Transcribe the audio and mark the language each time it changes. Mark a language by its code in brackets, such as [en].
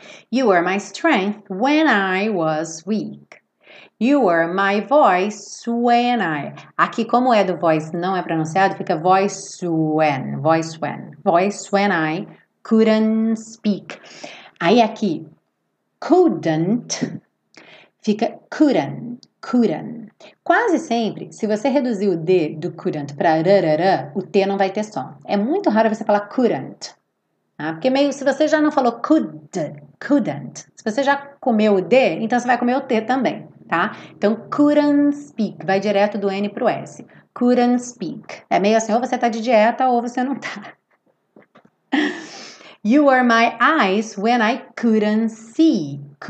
[en] You were my strength when I was weak. You were my voice when I... [pt] Aqui, como é do voice, não é pronunciado, fica voice when. [en] Voice when I couldn't speak. [pt] Aí aqui, [en] couldn't, fica couldn't. [pt] Quase sempre, se você reduzir o D do couldn't para rarara, o T não vai ter som. É muito raro você falar couldn't. Tá? Porque meio, se você já não falou couldn't, se você já comeu o D, então você vai comer o T também, tá? Então, couldn't speak, vai direto do N pro S. Couldn't speak. É meio assim, ou você tá de dieta ou você não tá. [en] You were my eyes when I couldn't see.